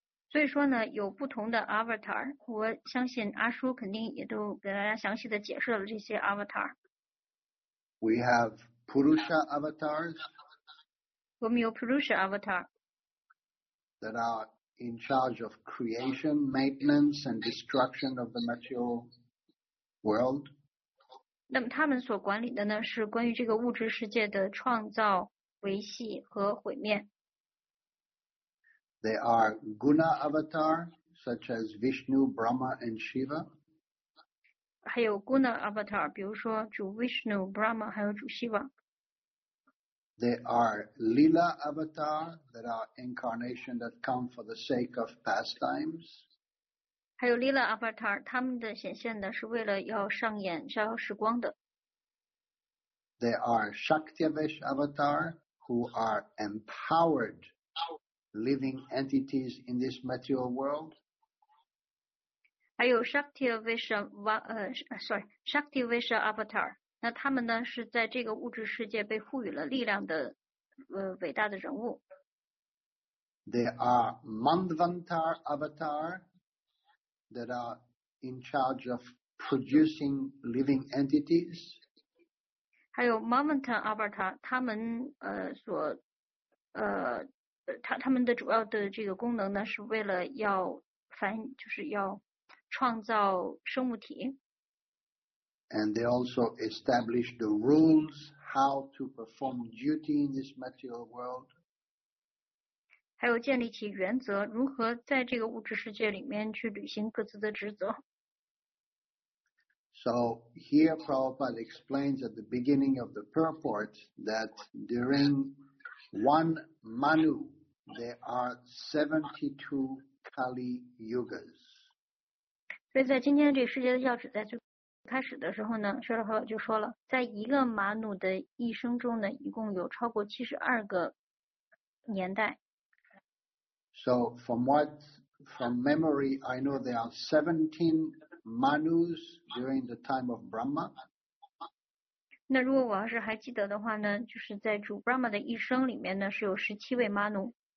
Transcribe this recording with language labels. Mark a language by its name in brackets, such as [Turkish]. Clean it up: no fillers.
[Chinese] 所以说呢，有不同的 avatar， 我相信阿叔肯定也都给大家详细的解释了这些 avatar。 [English] We have Purusha avatars. [Chinese] 我们有 Purusha avatar. [English] That are. In charge of creation, maintenance, and destruction of the material world. [Chinese] 那么他们所管理的呢，是关于这个物质世界的创造、维系和毁灭。 [English] There are guna avatar, such as Vishnu, Brahma, and Shiva. [Chinese] 还有 guna avatar， 比如说主 Vishnu、Brahma， 还有主 Shiva。 [English] There are lila avatar that are incarnations that come for the sake of pastimes. [Chinese] 还有 lila avatar， 他们的显现呢是为了要上演消耗时光的。 [English] There are shaktyavesh avatar who are empowered living entities in this material world. [Chinese] 还有 shaktyavesh shaktyavesh avatar。那他们呢是在这个物质世界被赋予了力量的伟大的人物。 [English] There are Mandvantar avatar that are in charge of producing living entities. [Chinese] 还有 Mandvantar avatar， 他们的主要的这个功能呢是为了要繁，就是要创造生物体。 [English] And they also establish the rules how to perform duty in this material world. [Chinese] 还有建立起原则，如何在这个物质世界里面去履行各自的职责。 [English] So here Prabhupada explains at the beginning of the purport that during one Manu, there are 72 Kali Yugas. [Chinese] 所以在今天这个世界的钥匙在最开始的时候呢，舍利弗就说了，在一个马努的一生中呢，一共有超过72个年代。 [English] So from memory, I know there are 17 Manus during the time of Brahma. [Chinese] 那如果我要是还记得的话呢，就是在主 Brahma 的一生里面呢，是有17位 Manu。